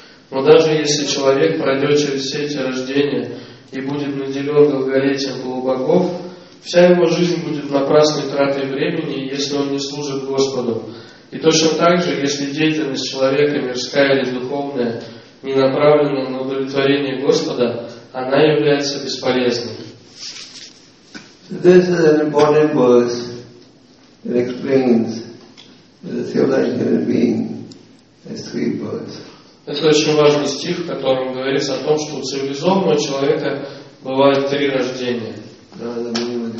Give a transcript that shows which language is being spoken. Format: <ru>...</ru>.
<ru>Но даже если человек пройдет через все эти рождения и будет наделен долголетием полубогов, вся его жизнь будет напрасной тратой времени, если он не служит Господу. И точно так же, если деятельность человека, мирская или духовная, не направлена на удовлетворение Господа, она является бесполезной.</ru> <en>So this is an important verse. It explains the theological being as three parts.</en> <ru>Это очень важный стих, в котором говорится о том, что у цивилизованного человека бывают 3 рождения.</ru>